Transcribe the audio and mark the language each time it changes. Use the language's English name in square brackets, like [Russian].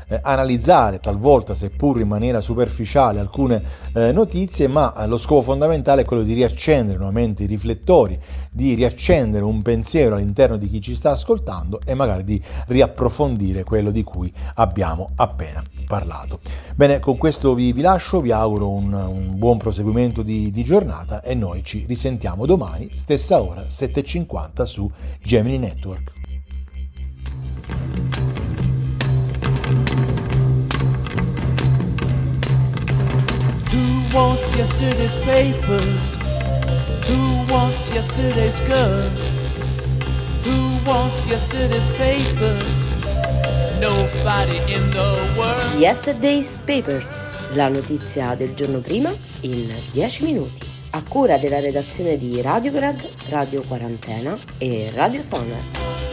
[Italian] analizzare talvolta, seppur in maniera superficiale, alcune notizie, ma lo scopo fondamentale è quello di riaccendere nuovamente i riflettori, di riaccendere un pensiero all'interno di chi ci sta ascoltando e magari di riapprofondire quello di cui abbiamo appena parlato. Bene, con questo vi lascio, vi auguro un buon proseguimento di giornata e noi ci risentiamo domani, stessa ora, 7:50 su Gemini Network. [English] Who wants yesterday's papers? Who wants yesterday's gun? Who wants yesterday's papers? Nobody in the world. [Italian] Yesterday's Papers, la notizia del giorno prima in 10 minuti. A cura della redazione di Radio Grad, Radio Quarantena e Radio Sonar.